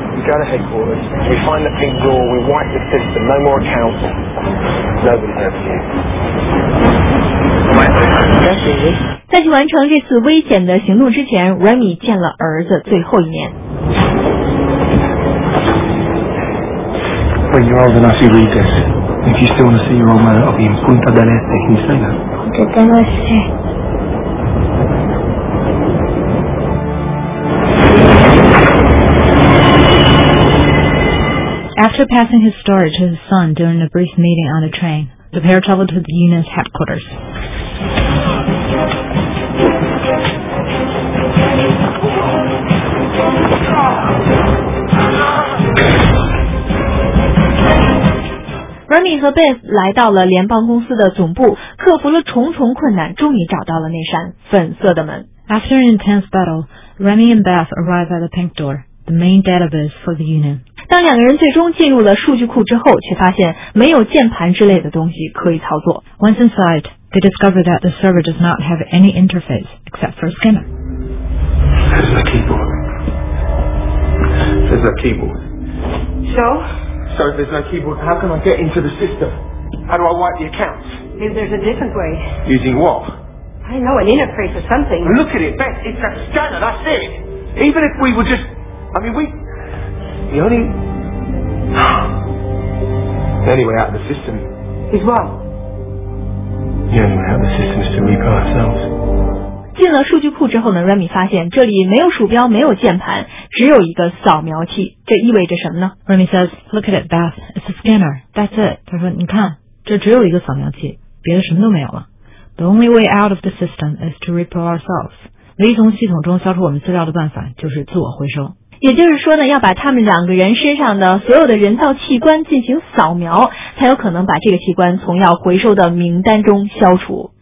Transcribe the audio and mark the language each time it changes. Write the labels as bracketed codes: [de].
[en] We go to headquarters, we find the pink door, we wipe the system, no more accounts. Nobody helps you. [zh] 在去完成这次危险的行动之前， Remy 见了儿子最后一面。 [en] When you're old enough you read this. If you still want to see your old man, I'll be in Punta del Este. Can you say that? Punta del Este. After passing his story to his son during a brief meeting on the train, the pair traveled to the unit's headquarters. [zh] Remy 和 Beth 来到了联邦公司的总部，克服了重重困难，终于找到了那扇粉色的门。 [en] After an intense battle, Remy and Beth arrive at the pink door, the main database for the union. [zh] 当两个人最终进入了数据库之后，却发现没有键盘之类的东西可以操作。 [en] Once inside, they discover that the server does not have any interface except for a scanner. There's a keyboard. There's a keyboard. So? So if there's no keyboard, how can I get into the system? How do I wipe the accounts? If there's a different way. Using what? I know, an interface or something. Look at it, Beth. It's a scanner, that's it. Even if we were just... I mean, we... The only... The only way out of the system... Is what? The only way out of the system is to repo ourselves. [zh] 进了数据库之后呢， Remy 发现这里没有鼠标，没有键盘，只有一个扫描器。这意味着什么呢？ [en] Remy says, look at it, Beth, it's a scanner, that's it. [zh] 他说你看，这只有一个扫描器，别的什么都没有了。 [en] The only way out of the system is to repo ourselves. [zh] 唯一从系统中消除我们资料的办法就是自我回收。也就是说呢，要把他们两个人身上的所有的人造器官进行扫描，才有可能把这个器官从要回收的名单中消除。